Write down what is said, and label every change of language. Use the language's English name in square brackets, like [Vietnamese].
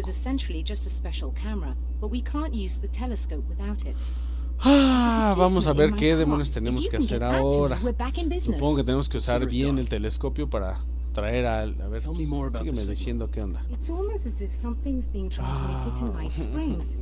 [English] Is essentially just a special camera, but we can't use the telescope without it. [Spanish] Vamos a ver qué demonios tenemos que hacer ahora. Supongo que tenemos que usar bien el telescopio para traer al... A ver, sígueme diciendo qué onda. [English] It's almost as if something's being transmitted to Night Springs.